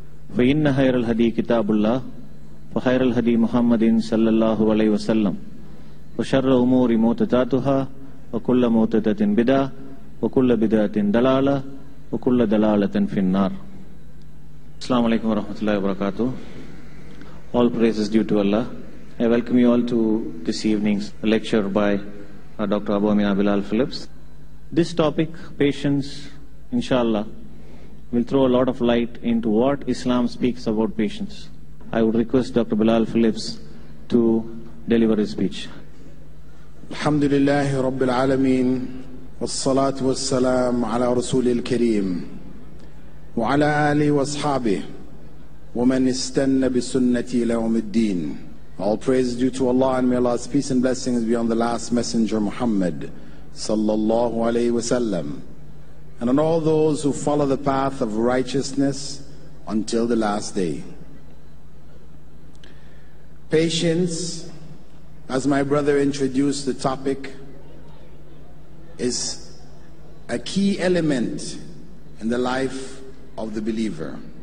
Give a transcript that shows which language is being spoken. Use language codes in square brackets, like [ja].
[ar] fa inna hayral hadi kitabullah وخير الهدي محمد صلى الله عليه وسلم وشر الأمور محدثاتها وكل محدثة بدعة وكل بدعة ضلالة وكل ضلالة في النار السلام عليكم ورحمة الله وبركاته [en] All praise is due to Allah I welcome you all to this evening's lecture by Dr. Abu Amina Bilal Phillips This topic patience inshallah will throw a lot of light into what Islam speaks about patience I would request Dr. Bilal Phillips to deliver his speech. [ar] Alhamdulillahi Rabbil Alameen الصلاة والسلام على رسول الكريم وعلى آله وأصحابه ومن استنى بسنتي لهم الدين. [en] All praise due to Allah and may Allah's peace and blessings be on the last messenger Muhammad sallallahu alayhi wa sallam and on all those who follow the path of righteousness until the last day. Patience, as my brother introduced the topic, is a key element in the life of the believer.